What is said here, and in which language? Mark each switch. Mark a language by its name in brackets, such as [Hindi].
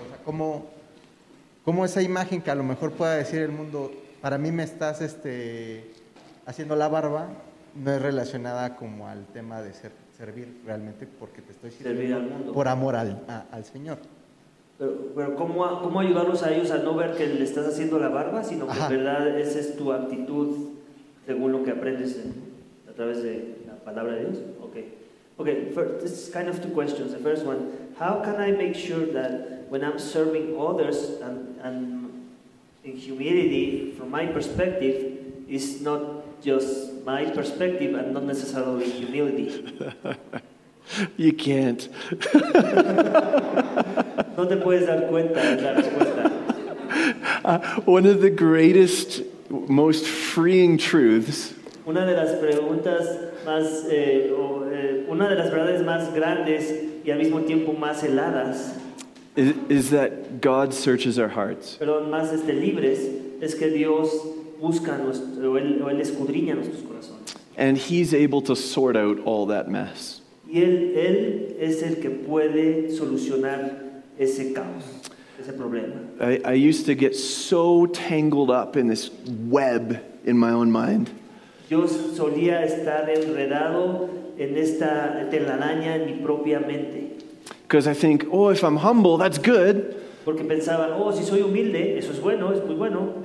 [Spanish] O sea, ¿cómo esa imagen que a lo mejor pueda decir el mundo, para mí me estás haciendo la barba, no es relacionada como al tema de servir realmente porque te estoy sirviendo servir al mundo por amor al Señor. Pero ¿cómo ayudarlos a ellos a no ver que le estás haciendo la barba, sino que en verdad esa es tu actitud según lo que aprendes a través de la palabra de Dios? [English] Okay, first, this is kind of two questions. The first one, how can I make sure that when I'm serving others and in humility, from my perspective, it's not just my perspective and not necessarily humility? You can't. [Spanish] No te puedes dar cuenta de la respuesta. [English] One of the greatest, most freeing truths. [Spanish] Una de las preguntas más... una de las verdades más grandes y al mismo tiempo más heladas [English] is that God searches our hearts. [Spanish] Perdón, más libres es que Dios busca nuestro, o él escudriña nuestros corazones. [English] And he's able to sort out all that mess. [Spanish] Y él es el que puede solucionar ese caos, ese problema. [English] I used to get so tangled up in this web in my own mind. [Spanish] Yo solía estar enredado en esta telaraña en mi propia mente. [English] Because I think, oh, if I'm humble, that's good. [Spanish] Porque pensaba, oh, si soy humilde, eso es bueno, es muy bueno.